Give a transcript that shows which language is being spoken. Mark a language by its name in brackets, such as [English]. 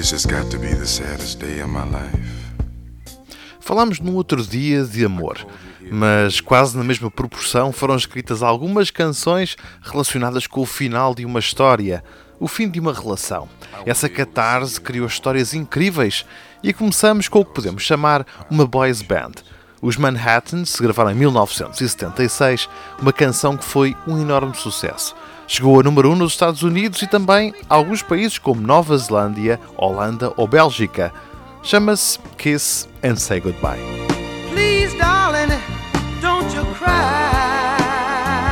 [English] got to be the saddest day of my life. [Portuguese] Falámos no outro dia de amor, mas quase na mesma proporção foram escritas algumas canções relacionadas com o final de uma história, o fim de uma relação. Essa catarse criou histórias incríveis e começamos com o que podemos chamar uma boys band. Os Manhattans gravaram em 1976 uma canção que foi um enorme sucesso. Chegou a número 1 nos Estados Unidos e também a alguns países como Nova Zelândia, Holanda ou Bélgica. Chama-se Kiss and Say Goodbye. [English] Please, darling, don't you cry.